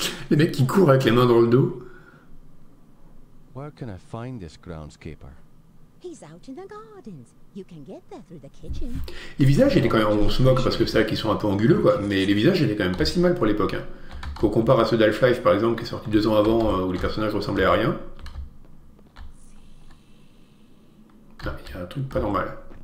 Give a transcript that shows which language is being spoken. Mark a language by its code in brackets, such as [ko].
[fr] Les mecs qui courent avec les mains dans le dos. [en] Where can I find this groundskeeper? He's out in the gardens. You can get there through the kitchen. [fr] Les visages étaient quand même. On se moque parce que c'est vrai qu'ils sont un peu anguleux, quoi. Mais les visages étaient quand même pas si mal pour l'époque. Hein. Qu'on compare à ceux d'Half-Life, par exemple, qui est sorti 2 ans avant, où les personnages ressemblaient à rien. Il y a un truc pas normal.